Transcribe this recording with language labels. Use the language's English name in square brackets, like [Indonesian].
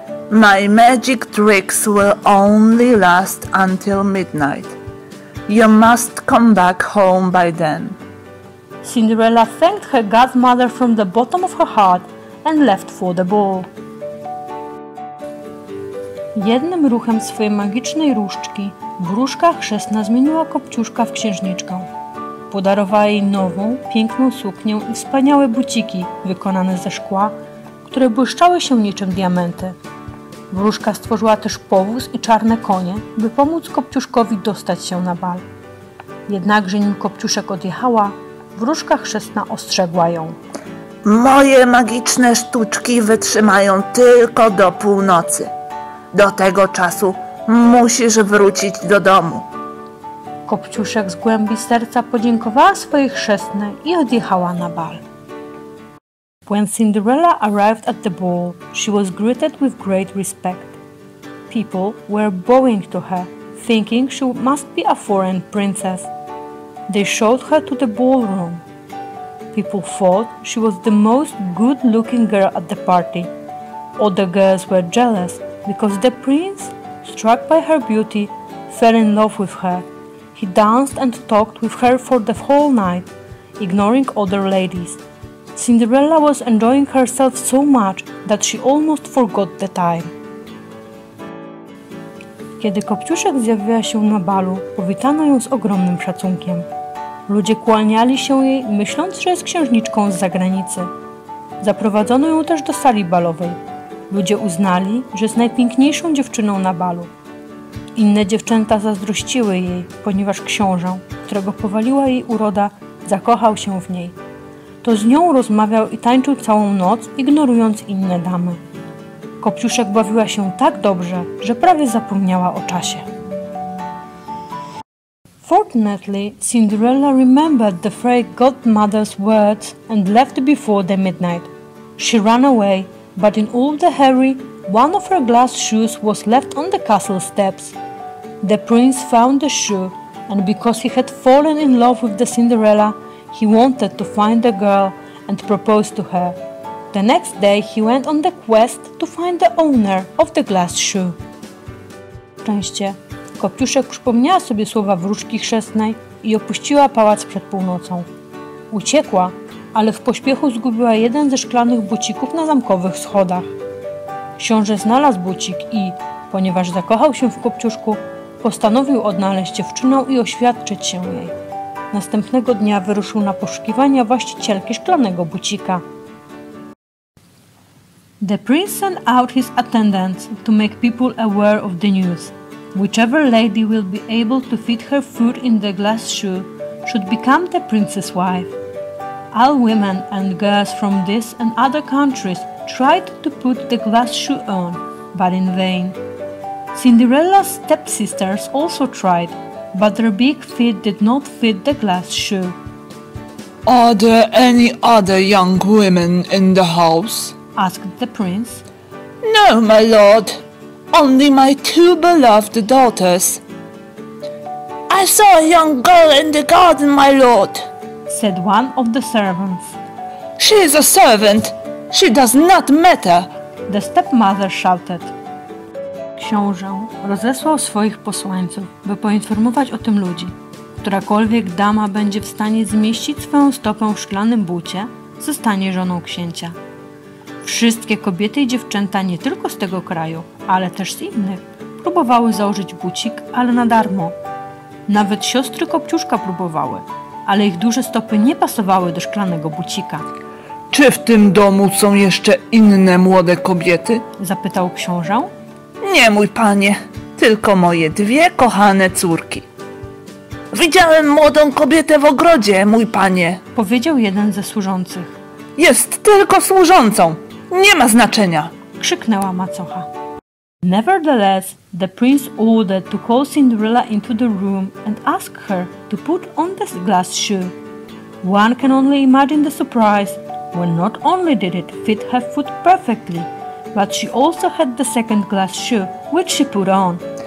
[English] My magic tricks will only last until midnight. You must come back home by then. Cinderella thanked her godmother from the bottom of her heart and left for the ball. [Polish] Jednym ruchem swojej magicznej różdżki wróżka chrzestna zmieniła Kopciuszka w księżniczkę. Podarowała jej nową, piękną suknię i wspaniałe buciki wykonane ze szkła, które błyszczały się niczym diamenty. Wróżka stworzyła też powóz i czarne konie, by pomóc Kopciuszkowi dostać się na bal. Jednakże nim Kopciuszek odjechała, wróżka chrzestna ostrzegła ją. Moje magiczne sztuczki wytrzymają tylko do północy. Do tego czasu musisz wrócić do domu. Kopciuszek z głębi serca podziękowała swojej chrzestnej i odjechała na bal. [English] When Cinderella arrived at the ball, she was greeted with great respect. People were bowing to her, thinking she must be a foreign princess. They showed her to the ballroom. People thought she was the most good-looking girl at the party. Other girls were jealous because the prince, struck by her beauty, fell in love with her. He danced and talked with her for the whole night, ignoring other ladies. Cinderella was enjoying herself so much that she almost forgot the time. [Polish] Kiedy Kopciuszek zjawiła się na balu, powitano ją z ogromnym szacunkiem. Ludzie kłaniali się jej, myśląc, że jest księżniczką z zagranicy. Zaprowadzono ją też do sali balowej. Ludzie uznali, że jest najpiękniejszą dziewczyną na balu. Inne dziewczęta zazdrościły jej, ponieważ książę, którego powaliła jej uroda, zakochał się w niej. To z nią rozmawiał i tańczył całą noc, ignorując inne damy. Kopciuszek bawiła się tak dobrze, że prawie zapomniała o czasie. [English] Fortunately, Cinderella remembered the fairy godmother's words and left before the midnight. She ran away, but in all the hurry, one of her glass shoes was left on the castle steps. The prince found the shoe, and because he had fallen in love with the Cinderella, he wanted to find the girl and propose to her. The next day he went on the quest to find the owner of the glass shoe. [Polish] Szczęście. Kopciuszek przypomniała sobie słowa wróżki chrzestnej i opuściła pałac przed północą. Uciekła, ale w pośpiechu zgubiła jeden ze szklanych bucików na zamkowych schodach. Książę znalazł bucik i, ponieważ zakochał się w Kopciuszku, postanowił odnaleźć dziewczynę i oświadczyć się jej. Następnego dnia wyruszył na poszukiwania właścicielki szklanego bucika. [English] The prince sent out his attendants to make people aware of the news. Whichever lady will be able to fit her foot in the glass shoe should become the prince's wife. All women and girls from this and other countries tried to put the glass shoe on, but in vain. Cinderella's stepsisters also tried, but their big feet did not fit the glass shoe. Are there any other young women in the house? Asked the prince. No, my lord, only my two beloved daughters. I saw a young girl in the garden, my lord, said one of the servants. She is a servant. She does not matter, the stepmother shouted. [Polish] Książę rozesłał swoich posłańców, by poinformować o tym ludzi. Którakolwiek dama będzie w stanie zmieścić swoją stopę w szklanym bucie, zostanie żoną księcia. Wszystkie kobiety i dziewczęta nie tylko z tego kraju, ale też z innych, próbowały założyć bucik, ale na darmo. Nawet siostry Kopciuszka próbowały, ale ich duże stopy nie pasowały do szklanego bucika. Czy w tym domu są jeszcze inne młode kobiety? Zapytał książę. Nie, mój panie, tylko moje dwie kochane córki. Widziałem młodą kobietę w ogrodzie, mój panie, powiedział jeden ze służących. Jest tylko służącą, nie ma znaczenia, krzyknęła macocha. [English] Nevertheless, the prince ordered to call Cinderella into the room and ask her to put on the glass shoe. One can only imagine the surprise when not only did it fit her foot perfectly, but she also had the second glass shoe, which she put on.